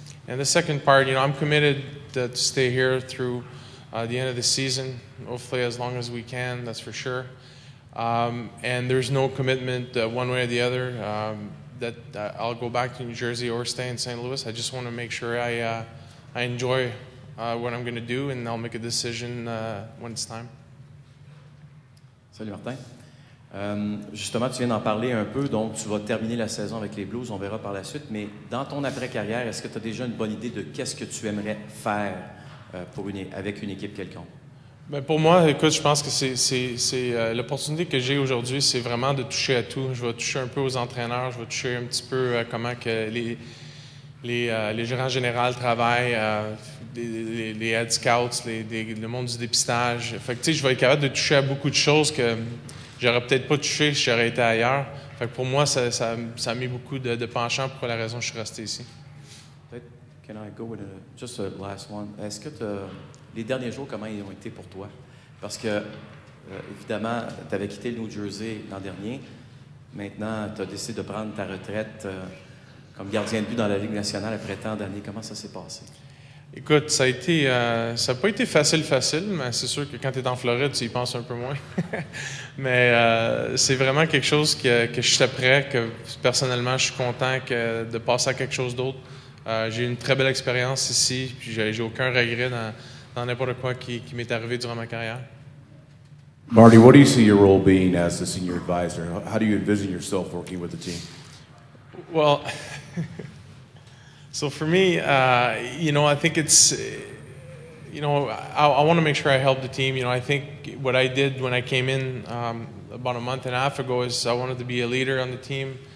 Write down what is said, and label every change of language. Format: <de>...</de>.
<en>And the second part, you know, I'm committed to stay here through the end of the season, hopefully as long as we can, that's for sure. And there's no commitment one way or the other that I'll go back to New Jersey or stay in St. Louis. I just want to make sure I enjoy what I'm going to do, and I'll make a decision when it's time.</en> <fr>Salut Martin. Justement, tu viens d'en parler un peu, donc tu vas terminer la saison avec les Blues, on verra par la suite, mais dans ton après-carrière, est-ce que tu as déjà une bonne idée de qu'est-ce que tu aimerais faire avec une équipe quelconque? Ben pour moi, écoute, je pense que c'est l'opportunité que j'ai aujourd'hui, c'est vraiment de toucher à tout. Je vais toucher un peu aux entraîneurs, je vais toucher un petit peu à comment que les gérants généraux travaillent, les head scouts, le monde du dépistage. Fait que, tu sais, je vais être capable de toucher à beaucoup de choses que j'aurais peut-être pas touché si j'aurais été ailleurs. Fait que pour moi, ça a mis beaucoup de penchant pour la raison que je suis resté ici.</fr> <en>Can I go with just a last one?</en> <fr>Est-ce que les derniers jours, comment ils ont été pour toi? Parce que, évidemment, tu avais quitté le New Jersey l'an dernier. Maintenant, tu as décidé de prendre ta retraite comme gardien de but dans la Ligue nationale après tant d'années. Comment ça s'est passé? Écoute, ça a été, ça n'a pas été facile, mais c'est sûr que quand tu es en Floride, tu y penses un peu moins. Mais c'est vraiment quelque chose que je suis prêt, que personnellement, je suis content de passer à quelque chose d'autre. J'ai eu une très belle expérience ici, puis j'ai aucun regret dans n'importe quoi qui m'est arrivé durant ma carrière.</fr> <en>Marty, what do you see your role being as the senior advisor? How do you envision yourself working with the team? Well, so for me, you know, I think it's, you know, I want to make sure I help the team. You know, I think what I did when I came in about a month and a half ago is I wanted to be a leader on the team.</en>